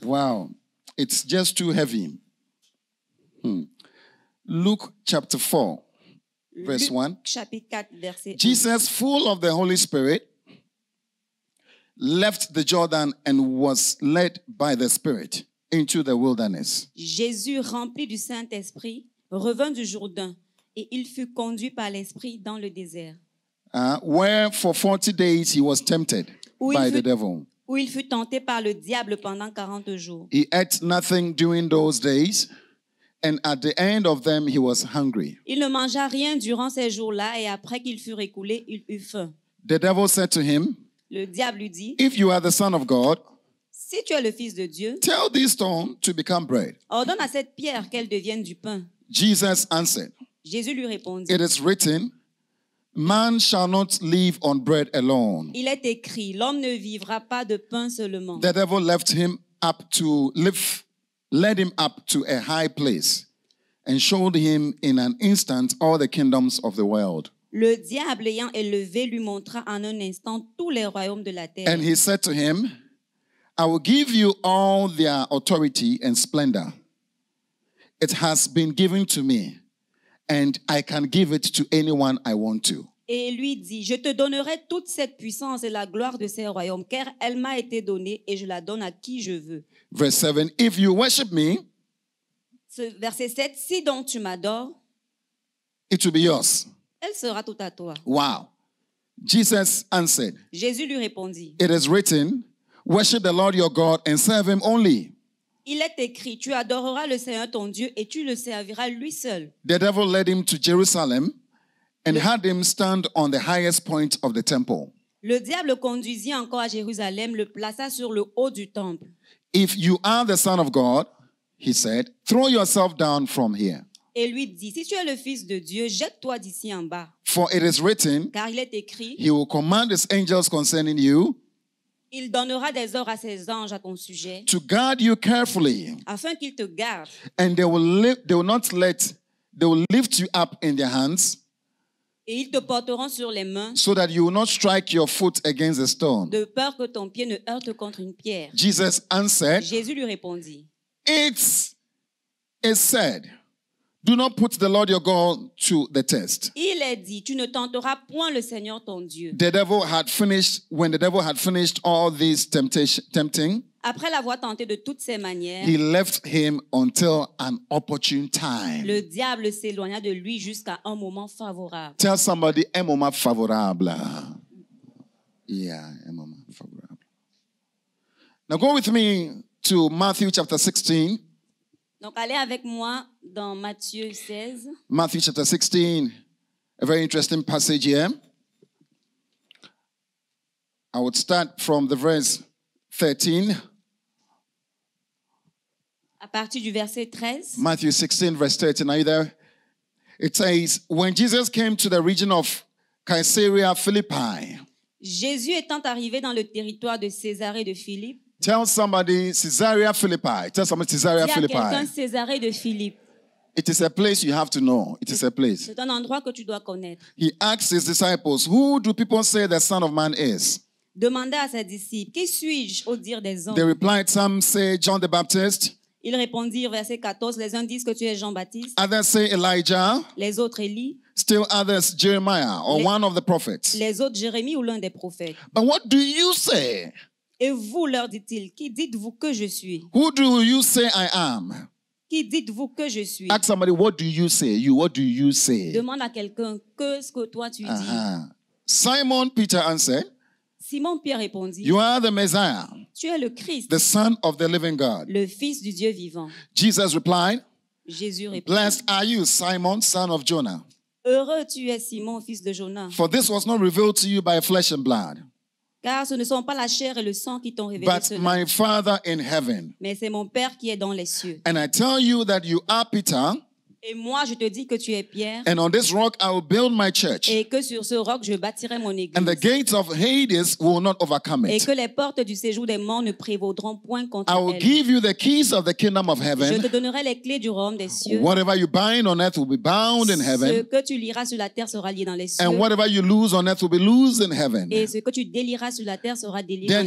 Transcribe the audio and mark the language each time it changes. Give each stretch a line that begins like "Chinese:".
English: Wow. It's just too heavy. Luke chapter 4, verse 1.
French: Luke chapitre 4, verset 1.
English: Jesus, full of the Holy Spirit, left the Jordan and was led by the Spirit into the wilderness.
French: Jésus, rempli du Saint-Esprit, revint du Jourdain et il fut conduit par l'Esprit dans le désert.
English: Where for 40 days he was tempted by the devil.
French: Où il fut tenté par le diable pendant 40 jours.
English: He ate nothing during those days, and at the end of them he was hungry.
French: Il ne mangea rien durant ces jours-là et après qu'il fut récoulé, il eut faim.
English: The devil said to him,
French: le diable lui dit,
English: if you are the son of God,
French: si tu es le fils de Dieu,
English: tell this stone to become bread.
French: Ordonne à cette pierre qu'elle devienne du pain.
English: Jesus answered,
French: Jésus lui répondit,
English: it is written, man shall not live on bread alone.
French: Il est écrit, l'homme ne vivra pas de pain seulement.
English: The devil left him up to live, led him up to a high place, and showed him in an instant all the kingdoms of the world.
French: Le diable ayant élevé lui montra en un instant tous les royaumes de la terre.
English: And he said to him, I will give you all their authority and splendor. It has been given to me, and I can give it to anyone I want to.
French: Et lui dit, je te donnerai toute cette puissance et la gloire de ces royaumes, car elle m'a été donnée et je la donne à qui je veux.
English: Verse 7, if you worship me,
French: verset 7, si donc tu m'adores,
English: it will be yours.
French: Elle sera toute à toi.
English: Wow. Jesus answered,
French: Jésus lui répondit,
English: it is written, worship the Lord your God and serve him only.
French: Il est écrit, tu adoreras le Seigneur ton Dieu et tu le serviras lui seul.
English: The devil led him to Jerusalem and had him stand on the highest point of the temple.
French: Le diable conduisit encore à Jérusalem, le plaça sur le haut du temple.
English: If you are the son of God, he said, throw yourself down from here.
French: Et lui dit, si tu es le fils de Dieu, jette-toi d'ici en bas.
English: For it is written,
French: car il est écrit,
English: he will command his angels concerning you.
French: Il donnera des ordres à ses anges à ton sujet.
English: To guard you carefully.
French: Afin qu'ils te gardent.
English: And they will lift you up in their hands.
French: Et ils te porteront sur les mains.
English: So that you will not strike your foot against a stone.
French: De peur que ton pied ne heurte contre une pierre.
English: Jesus answered,
French: Jésus lui répondit,
English: it is said, do not put the Lord your God to the test.
French: Il est dit, tu ne tenteras point le Seigneur ton Dieu.
English: The devil had finished, when the devil had finished all these tempting,
French: après l'avoir tenté de toutes ses manières,
English: he left him until an opportune time.
French: Le diable s'éloigna de lui jusqu'à un moment favorable.
English: Tell somebody,
French: un moment favorable.
English: Yeah,
French: un moment favorable.
English: Now go with me to Matthew chapter 16.
French: Donc, allez avec moi dans Matthieu 16.
English: Matthew chapter 16, a very interesting passage here. I would start from the verse 13.
French: À partir du verset 13.
English: Matthew 16, verse 13. Are you there? It says, when Jesus came to the region of Caesarea Philippi.
French: Jésus étant arrivé dans le territoire de Césarée de Philippe.
English: Tell somebody Caesarea Philippi. Tell somebody Caesarea Philippi.
French: Césarée de Philippe.
English: It is a place you have to know. It is a place.
French: C'est un endroit que tu dois connaître.
English: He asked his disciples, who do people say the Son of Man is?
French: Demanda à ses disciples, qui suis-je au dire des hommes?
English: They replied, some say John the Baptist.
French: Ils répondirent, verset 14, les uns disent que tu es Jean-Baptiste.
English: Others say Elijah.
French: Les autres Élie.
English: Still others Jeremiah or one of the prophets.
French: Les autres Jérémie ou l'un des prophètes.
English: But what do you say?
French: Et vous, leur dit-il, qui dites-vous que je suis?
English: Who do you say I am?
French: Qui dites-vous que je suis?
English: Ask somebody, what do you say? You, what do you say?
French: Demande à quelqu'un, qu'est-ce que toi tu dis?
English: Simon Peter answered.
French: Simon Pierre répondit.
English: You are the Messiah.
French: Tu es le Christ.
English: The Son of the Living God.
French: Le Fils du Dieu vivant.
English: Jesus replied.
French: Jésus répondit.
English: Blessed are you, Simon, son of Jonah.
French: Heureux tu es, Simon, fils de Jonah.
English: For this was not revealed to you by flesh and blood.
French: Car ce ne sont pas la chair et le sang qui t'ont révélé
English: but
French: cela.
English: My Father in heaven.
French: Mais c'est mon Père qui est dans les cieux.
English: And I tell you that you are Peter.
French: Et moi, je te dis que tu es Pierre.
English: And on this rock I will build my church.
French: Et que sur ce roc, je bâtirai mon église.
English: And the gates of Hades will not overcome it.
French: Et que les portes du séjour des morts ne prévaudront point contre elle.
English: I will give you the keys of the kingdom of heaven.
French: Je te donnerai les clés du royaume des cieux.
English: Whatever you bind on earth will be bound in heaven.
French: Ce que tu lieras sur la terre sera lié dans les cieux.
English: And whatever you lose on earth will be loosed in heaven.
French: Et ce que tu délieras sur la terre sera délié dans les